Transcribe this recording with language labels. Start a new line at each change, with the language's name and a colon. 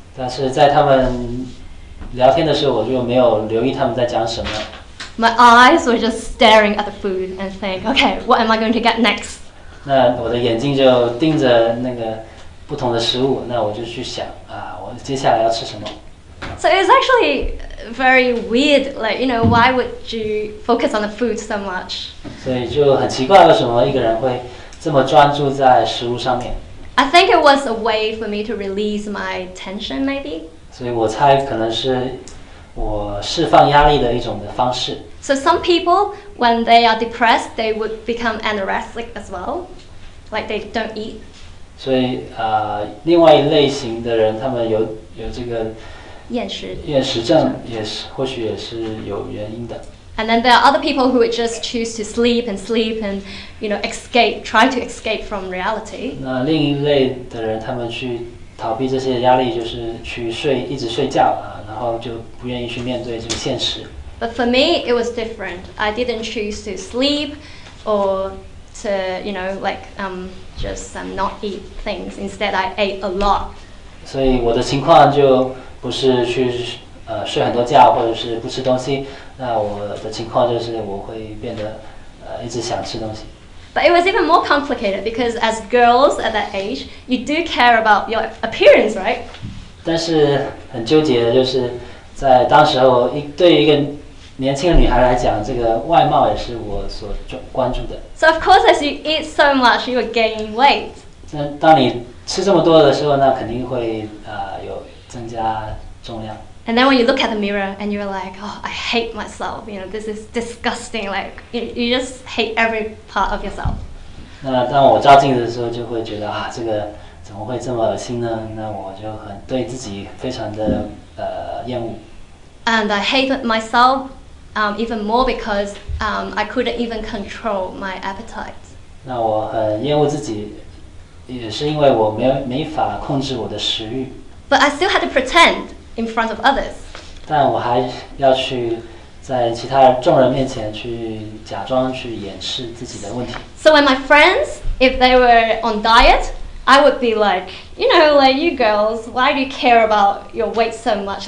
Chinese: 但是在他们聊天的时候，我就没有留意他们在讲什么。
English: My eyes were just staring at the food and think, okay, what am I going to get next?
Chinese: 那我的眼睛就盯着那个不同的食物，那我就去想啊，我接下来要吃什么。
English: So it's actually very weird, like, you know, why would you focus on the food so much?
Chinese: 所以就很奇怪，为什么一个人会这么专注在食物上面。
English: I think it was a way for me to release my tension, maybe.
Chinese: 所以我猜可能是我释放压力的一种的方式。
English: So some people, when they are depressed, they would become anorexic as well, like they don't eat.
Chinese: 所以另外一类型的人，他们有这个厌食症，也是或许也是有原因的。
English: And then there are other people who would just choose to sleep and sleep and, you know, escape, try to escape from reality.
Chinese: 那另一类的人，他们去逃避这些压力，就是去睡，一直睡觉啊，然后就不愿意去面对这个现实。
English: But for me, it was different. I didn't choose to sleep or to, you know, like, not eat things. Instead, I ate a lot.
Chinese: 所以我的情况就不是去睡很多觉或者是不吃东西，那我的情况就是我会变得一直想吃东西。
English: But it was even more complicated because as girls at that age, you do care about your appearance, right?
Chinese: 但是很纠结的就是在当时候对于一个年轻的女孩来讲，这个外貌也是我所关注的。
English: So of course, as you eat so much, you will gain weight.
Chinese: 那当你吃这么多的时候，那肯定会有增加重量。
English: And then when you look at the mirror and you're like, oh, I hate myself, you know, this is disgusting, like, you just hate every part of yourself.
Chinese: 那当我照镜子的时候就会觉得啊，这个怎么会这么恶心呢？那我就很对自己非常的厌恶。
English: And I hated myself even more because I couldn't even control my appetite.
Chinese: 那我很厌恶自己，也是因为我没法控制我的食欲。
English: But I still had to pretend. In front of others.
Chinese: 但我还要去在其他众人面前去假装去掩饰自己的问题。
English: So when my friends, if they were on diet, I would be like, you know, like you girls, why do you care about your weight so much?